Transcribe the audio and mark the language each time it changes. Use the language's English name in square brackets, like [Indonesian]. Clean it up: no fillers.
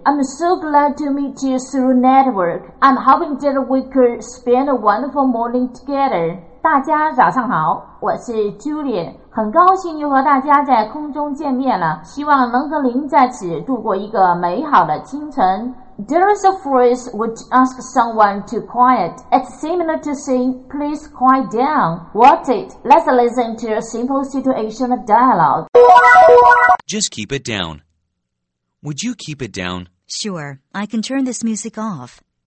[English] I'm so glad to meet you through network. I'm hoping that we could spend a wonderful morning together. [Chinese] 大家早上好，我是 Julian， 很高兴又和大家在空中见面了，希望能和您在此度过一个美好的清晨。 [English] There is a phrase which asks someone to quiet. It's similar to saying, please quiet down. What's it? Let's listen to a simple situation of dialogue. Just keep it down. Would you keep it down? Sure, I can turn this music off.